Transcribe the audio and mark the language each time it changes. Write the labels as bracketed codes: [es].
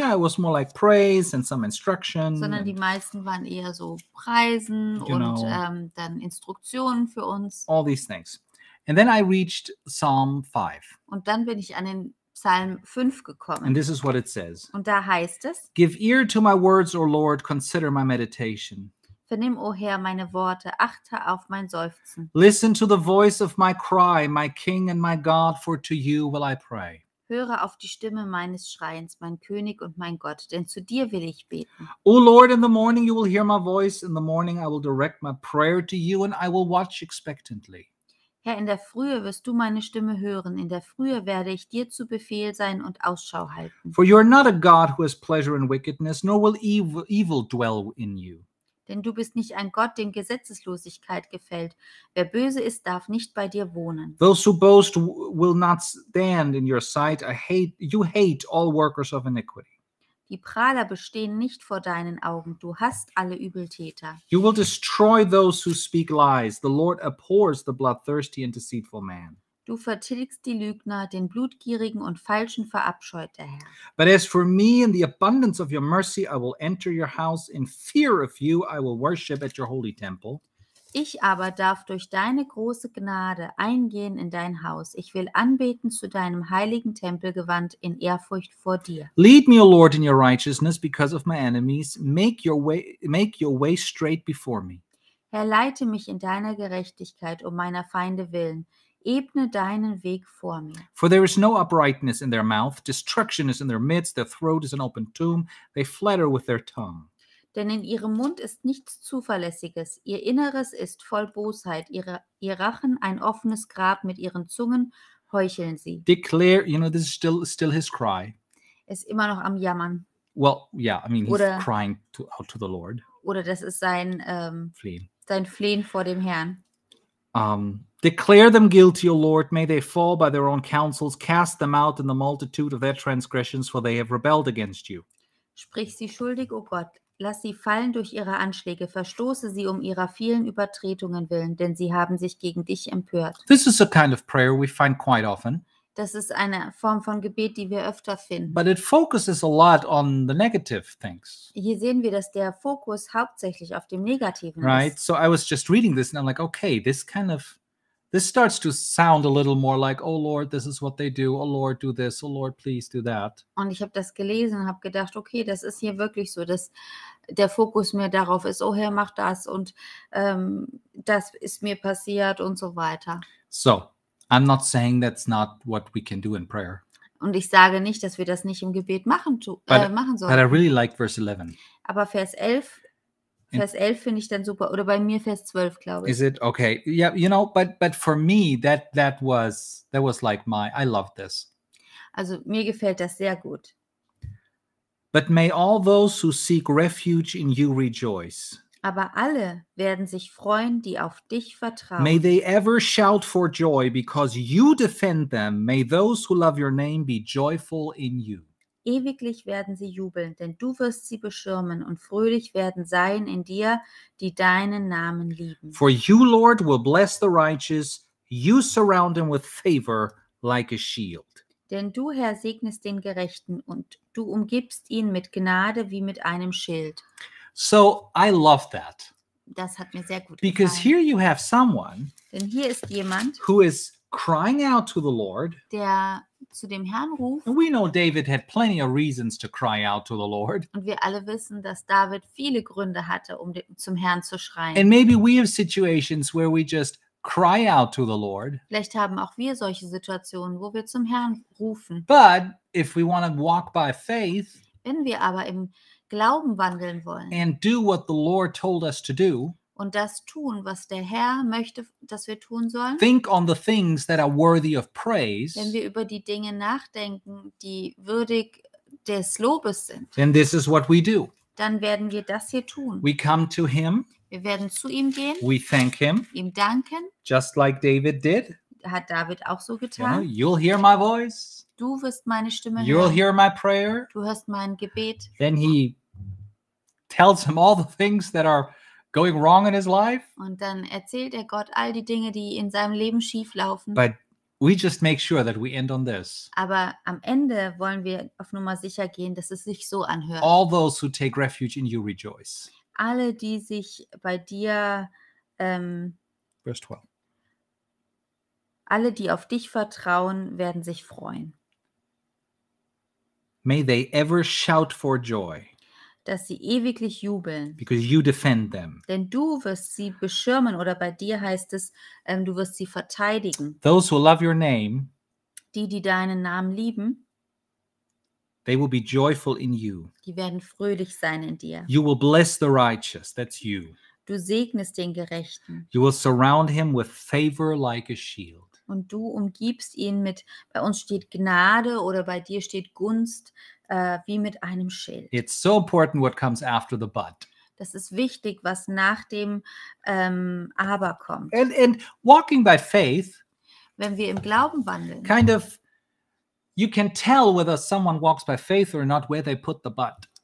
[en] Yeah, it was more like praise and some instruction. [de] Sondern die meisten waren eher so Preisen und dann Instruktionen für uns. [en] All these things. And then I reached Psalm 5. [de] Und dann bin ich an den Psalm 5 gekommen. [en] And this is what it says. [de] Und da heißt es: [en] Give ear to my words, O Lord, consider my meditation. [de] Vernimm, O Herr, meine Worte, achte auf mein Seufzen. [en] Listen to the voice of my cry, my King and my God, for to you will I pray. [de] Höre auf die Stimme meines Schreiens, mein König und mein Gott, denn zu dir will ich beten. [en] O Lord, in the morning you will hear my voice, in the morning I will direct my prayer to you and I will watch expectantly. [de] Herr, in der Frühe wirst du meine Stimme hören, in der Frühe werde ich dir zu Befehl sein und Ausschau halten. [en] For you are not a God who has pleasure in wickedness, nor will evil dwell in you. [de] Denn du bist nicht ein Gott, dem Gesetzeslosigkeit gefällt. Wer böse ist, darf nicht bei dir wohnen. [en] Those who boast will not stand in your sight. You hate all workers of iniquity. [de] Die Prahler bestehen nicht vor deinen Augen. Du hasst alle Übeltäter. [en] You will destroy those who speak lies. The Lord abhors the bloodthirsty and deceitful man. [de] Du vertilgst die Lügner, den Blutgierigen und Falschen verabscheut der Herr. [en] But as for me, in the abundance of your mercy, I will enter your house. In fear of you, I will worship at your holy temple. [de] Ich aber darf durch deine große Gnade eingehen in dein Haus. Ich will anbeten zu deinem heiligen Tempelgewand in Ehrfurcht vor dir. [en] Lead me, O Lord, in your righteousness because of my enemies. Make your way straight before me. [de] Herr, leite mich in deiner Gerechtigkeit um meiner Feinde willen. Ebne deinen Weg vor mir. [en] For there is no uprightness in their mouth, destruction is in their midst, their throat is an open tomb, they flatter with their tongue. [de] Denn in ihrem Mund ist nichts Zuverlässiges, ihr Inneres ist voll Bosheit, ihr Rachen ein offenes Grab, mit ihren Zungen heucheln sie. [en] Declare, you know, this is still his cry. [de] Ist immer noch am Jammern. [en] Well, yeah, I mean, he's [de] oder, [en] crying out to the Lord. [de] Oder das ist sein Flehen vor dem Herrn. [en] Declare them guilty, O Lord, may they fall by their own counsels, cast them out in the multitude of their transgressions, for they have rebelled against you. [de] Sprich sie schuldig, O Gott, lass sie fallen durch ihre Anschläge, verstoße sie um ihrer vielen Übertretungen willen, denn sie haben sich gegen dich empört. [en] This is a kind of prayer we find quite often. [de] Das ist eine Form von Gebet, die wir öfter finden. [en] But it focuses a lot on the negative things. [de] Hier sehen wir, dass der Fokus hauptsächlich auf dem Negativen [en] right? [de] ist. [en] Right, so I was just reading this and I'm like, okay, this starts to sound a little more like, oh Lord, this is what they do. Oh Lord, do this. Oh Lord, please do that. [de] Und ich habe das gelesen und habe gedacht, okay, das ist hier wirklich so, dass der Fokus mehr darauf ist, oh Herr, mach das und das ist mir passiert und so weiter. [en] So, I'm not saying that's not what we can do in prayer. [de] Und ich sage nicht, dass wir das nicht im Gebet machen sollen. [en] But I really like verse 11. [de] Aber Vers 11 finde ich dann super. Oder bei mir Vers 12, glaube ich. [en] Is it? Okay. Yeah, you know, but for me, that was like my, I love this. [de] Also mir gefällt das sehr gut. [en] But may all those who seek refuge in you rejoice. [de] Aber alle werden sich freuen, die auf dich vertrauen. [en] May they ever shout for joy because you defend them. May those who love your name be joyful in you. [de] Ewiglich werden sie jubeln, denn du wirst sie beschirmen und fröhlich werden sein in dir, die deinen Namen lieben. [en] For you, Lord, will bless the righteous. You surround him with favor like a shield. [de] Denn du, Herr, segnest den Gerechten und du umgibst ihn mit Gnade wie mit einem Schild. [en] So, I love that. [de] Das hat mir sehr gut gefallen. [en] Because here you have someone. [de] Denn hier ist jemand. [en] Who is crying out to the Lord. [de] Der zu dem Herrn ruft. [en] And we know David had plenty of reasons to cry out to the Lord. [de] Und wir alle wissen, dass David viele Gründe hatte, zum Herrn zu schreien. [en] And maybe we have situations where we just cry out to the Lord. [de] Vielleicht haben auch wir solche Situationen, wo wir zum Herrn rufen. [en] But if we want to walk by faith. [de] Wenn wir aber im Glauben wandeln wollen. [en] And do what the Lord told us to do. [de] und das tun, was der Herr möchte, dass wir tun sollen. [en] Think on the things that are worthy of praise. [de] Wenn wir über die Dinge nachdenken, die würdig des Lobes sind. [en] Then this is what we do. [de] Dann werden wir das hier tun. [en] We come to him. [de] Wir werden zu ihm gehen. [en] We thank him. [de] Ihm danken. [en] Just like David did. [de] Hat David auch so getan. [en] You know, you'll hear my voice. [de] Du wirst meine Stimme hören. [en] You'll hear my prayer. [de] Du hörst mein Gebet. [en] Then he tells him all the things that are going wrong in his life. [de] Und dann erzählt er Gott all die Dinge, die in seinem Leben schief laufen. [en] But we just make sure that we end on this. [de] Aber am Ende wollen wir auf Nummer sicher gehen, dass es sich so anhört. [en] All those who take refuge in you rejoice. [de] Alle, die sich bei dir [en] Verse 12. [de] Alle, die auf dich vertrauen, werden sich freuen. [en] May they ever shout for joy. [de] Dass sie ewiglich jubeln. [en] Because you defend them. [de] Denn du wirst sie beschirmen, oder bei dir heißt es, du wirst sie verteidigen. [en] Those who love your name, [de] die, die deinen Namen lieben, [en] they will be joyful in you. [de] Die werden fröhlich sein in dir. [en] You will bless the righteous, that's you. [de] Du segnest den Gerechten. [en] You will surround him with favor like a shield. [de] Und du umgibst ihn mit, bei uns steht Gnade oder bei dir steht Gunst, wie mit einem Schild. [en] It's so important what comes after the but. [de] Das ist wichtig, was nach dem Aber kommt. [en] And walking by faith, [de] wenn wir im Glauben wandeln, [en] kind of, you can tell whether someone walks by faith or not, where they put the but.